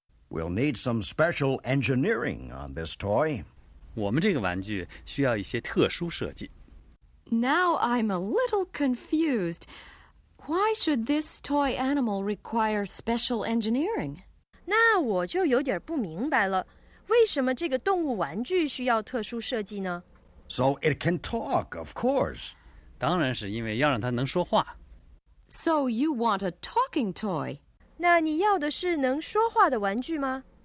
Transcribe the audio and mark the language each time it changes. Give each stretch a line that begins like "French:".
English: We'll need some special engineering on this toy.
Chinese: 我们这个玩具需要一些特殊设计。
English: Now I'm a little confused. Why should this toy animal require special engineering?
Chinese: 那我就有点不明白了，为什么这个动物玩具需要特殊设计呢？
English: So it can talk, of course.
Chinese: 当然是因为要让它能说话。
English: So you want a talking toy?
Chinese: 那你要的是能说话的玩具吗？